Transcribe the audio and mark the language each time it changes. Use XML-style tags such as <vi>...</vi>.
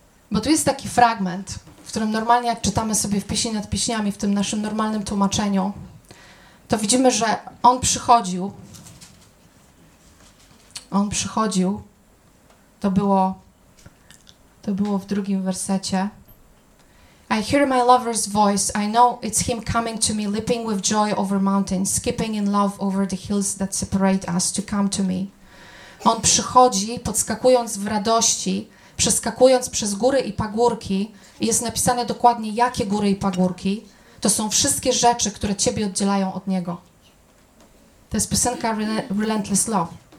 <pl>Bo tu jest taki fragment, w którym normalnie jak czytamy sobie w Pieśni nad Pieśniami, w tym naszym normalnym tłumaczeniu, to widzimy, że On przychodził, to było w drugim wersecie.</pl> <en>I hear my lover's voice, I know it's him coming to me, leaping with joy over mountains, skipping in love over the hills that separate us to come to me.</en> <pl>On przychodzi, podskakując w radości, przeskakując przez góry i pagórki, i jest napisane dokładnie, jakie góry i pagórki. To są wszystkie rzeczy, które ciebie oddzielają od Niego. To jest piosenka Relentless Love.</pl>